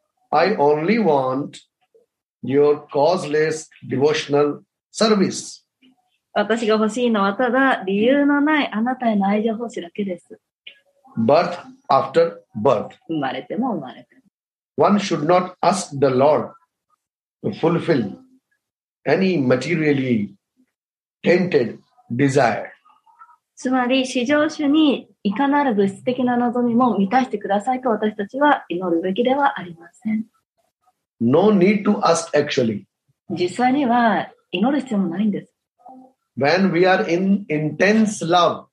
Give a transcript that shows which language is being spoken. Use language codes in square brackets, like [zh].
[en] I only want your causeless devotional service. [ja] 私が欲しいのはただ理由のないあなたへの愛情奉仕だけです。 [en] Birth after birth. [ja] 生まれても生まれても。 [en] One should not ask the Lord to fulfill any materially tainted desire. [ja] つまり、至上主にいかなる物質的な望みも満たしてくださいと私たちは祈るべきではありません。 [en] No need to ask actually. [ja] 実際には祈る必要もないんです。 [en] When we are in intense love,